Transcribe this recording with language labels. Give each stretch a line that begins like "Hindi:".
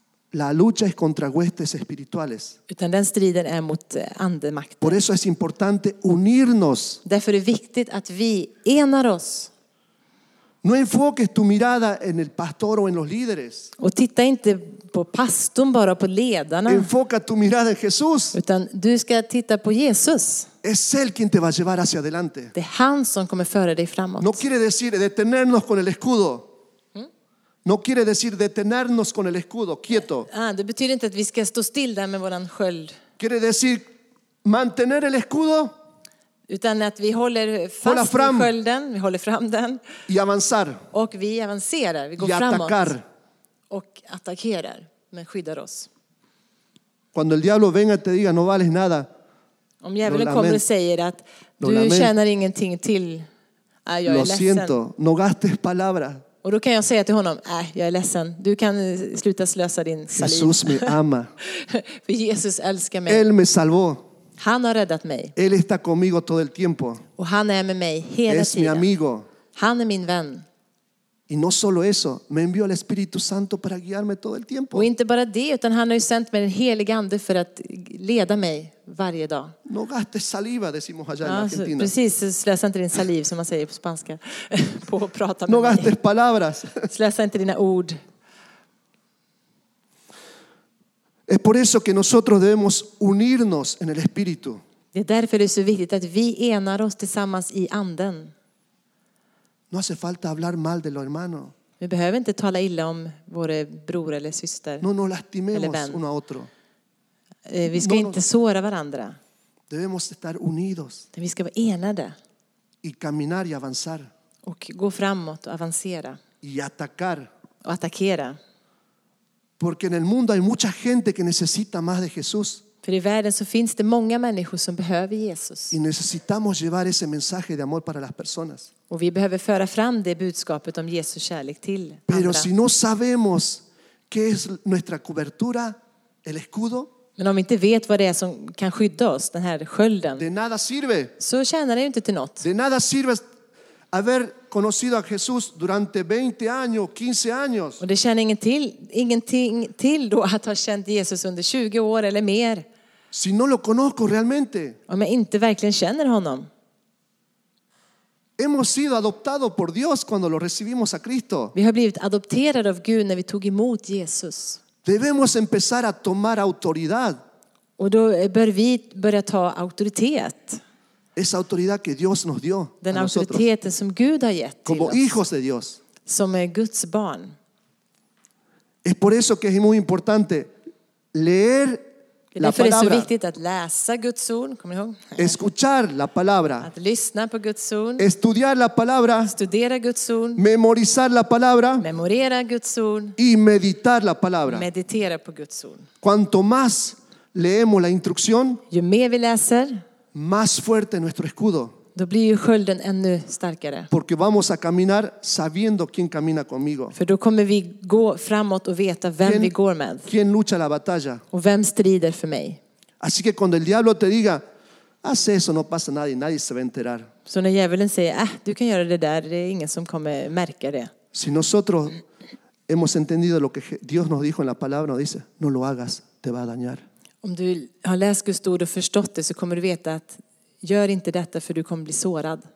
Spanish: La lucha es contra huestes espirituales.
Swedish: Utan den striden är mot andemakten.
Spanish: Por eso es importante unirnos.
Swedish: Därför är det viktigt att vi enar oss.
Spanish: No enfoques tu mirada en el pastor o en los líderes.
Swedish: Och titta inte på pastorn, bara på ledarna.
Spanish: Enfoca tu mirada en Jesús.
Swedish: Utan du ska titta på Jesus.
Spanish: Es él quien te va a llevar hacia adelante.
Swedish: Det är han som kommer föra dig framåt.
Spanish: No quiere decir detenernos con el escudo. No quiere decir detenernos con el escudo, quieto.
Swedish: Ah, det betyder inte att vi ska stå still där med våran sköld.
Spanish: Quiere decir mantener el escudo.
Swedish: Utan att vi håller fast fram skölden, vi håller fram den.
Spanish: Y avanzar.
Swedish: Och vi avancerar, vi går
Spanish: y
Swedish: framåt.
Spanish: Atacar.
Swedish: Och attackerar, men skyddar oss.
Spanish: Cuando el diablo venga y te diga no vales nada.
Swedish: Om djävulen kommer och säger att du tjänar ingenting till. Ah, jag är ledsen.
Spanish: Lo siento, no gastes palabras.
Swedish: Och då kan jag säga till honom, jag är ledsen. Du kan sluta slösa din saliv.
Spanish: Jesus me ama.
Swedish: För Jesus älskar mig.
Spanish: Él me salvó.
Swedish: Han har räddat mig.
Spanish: Él está conmigo todo el tiempo.
Swedish: Och han är med mig hela
Spanish: es
Swedish: tiden.
Spanish: Es mi amigo.
Swedish: Han är min vän.
Spanish: Y no solo eso, me envió el Espíritu Santo para guiarme todo el tiempo.
Swedish: Och inte bara det, utan han har ju sänt mig den helige ande för att leda mig varje dag.
Spanish: No gastes saliva, decimos allá en Argentina.
Swedish: Precis, slösa inte din saliv, som man säger på spanska, på att prata med mig.
Spanish: No gastes palabras.
Swedish: Slösa inte dina ord.
Spanish: Es por eso que nosotros debemos unirnos en el Espíritu.
Swedish: Det är därför det är så viktigt att vi enar oss tillsammans i anden.
Spanish: No hace falta hablar mal de los hermanos.
Swedish: Vi behöver inte tala illa om våra bror eller syster.
Spanish: No nos lastimemos uno a otro.
Swedish: Vi ska inte såra varandra.
Spanish: Debemos estar unidos.
Swedish: Vi ska vara enade.
Spanish: Y caminar y avanzar.
Swedish: Och gå framåt och avancera.
Spanish: Y atacar.
Swedish: Och attackera.
Spanish: Porque en el mundo hay mucha gente que necesita más de Jesús.
Swedish: För i världen så finns det många människor som behöver Jesus.
Spanish: Y necesitamos llevar ese mensaje de amor para las personas.
Swedish: Och vi behöver föra fram det budskapet om Jesu kärlek till andra.
Spanish: Pero si no sabemos qué es nuestra cobertura, el escudo.
Swedish: Men om vi inte vet vad det är som kan skydda oss, den här skölden.
Spanish: De nada sirve.
Swedish: Så tjänar det ju inte till något.
Spanish: De nada sirve haber conocido a Jesús durante 20 años, 15 años.
Swedish: Och det tjänar ingenting till då att ha känt Jesus under 20 år eller mer.
Spanish: Si no lo conozco realmente.
Swedish: Om jag inte verkligen känner honom.
Spanish: Hemos sido adoptados por Dios cuando lo recibimos a Cristo.
Swedish: Vi har blivit adopterade av Gud när vi tog emot Jesus.
Spanish: Debemos empezar a tomar autoridad.
Swedish: Och då bör vi börja ta autoritet.
Spanish: Esa autoridad que Dios nos dio.
Swedish: Den auktoriteten som Gud har gett till oss.
Spanish: Como hijos de Dios.
Swedish: Som är Guds barn.
Spanish: Es por eso que es muy importante leer la palabra.
Swedish: Det är så viktigt att läsa Guds ord, kommer ihåg.
Spanish: Escuchar la palabra.
Swedish: Att lyssna på Guds ord.
Spanish: Estudiar la palabra.
Swedish: Studera Guds ord.
Spanish: Memorizar la palabra.
Swedish: Memorera Guds ord.
Spanish: Y meditar la palabra.
Swedish: Meditera på Guds ord.
Spanish: Cuanto más leemos la instrucción,
Swedish: ju mer vi läser,
Spanish: más fuerte nuestro escudo.
Swedish: Då blir ju skölden ännu starkare.
Spanish: Porque vamos a caminar sabiendo quién camina conmigo.
Swedish: För då kommer vi gå framåt och veta vem vi går med.
Spanish: ¿Quién lucha la batalla?
Swedish: Och vem strider för mig?
Spanish: Así que cuando el diablo te diga, haz eso, no pasa nada y nadie se va a enterar.
Swedish: Så när djävulen säger, du kan göra det där, det är ingen som kommer märka det.
Spanish: Si nosotros hemos entendido lo que Dios nos dijo en la palabra, nos dice, no lo hagas, te va a dañar.
Swedish: Om du har läst Guds ord och förstått det, så kommer du veta att gör inte detta, för du kommer bli sårad.